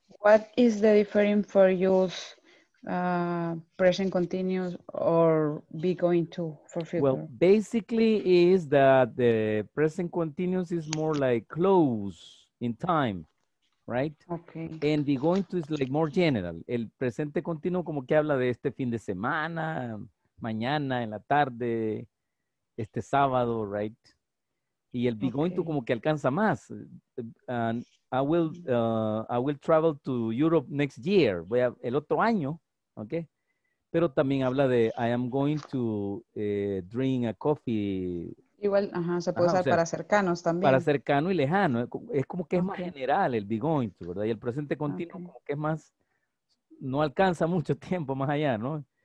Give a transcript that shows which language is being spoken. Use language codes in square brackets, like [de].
[en] What is the difference for use present continuous or be going to for future? Well, basically is that the present continuous is more like close in time, right? Okay. And be going to is like more general. [es] El presente continuo como que habla de este fin de semana, mañana, en la tarde, este sábado, right? Y el be going to como que alcanza más. [en] And I will travel to Europe next year. [es] Voy a el otro año, okay? Pero también habla de [en] I am going to drink a coffee. [es] Igual, ajá, se puede usar, o sea, para cercanos también. Para cercano y lejano. Es como que es más general el be going to, ¿verdad? Y el presente continuo como que es más, no alcanza mucho tiempo más allá, ¿no?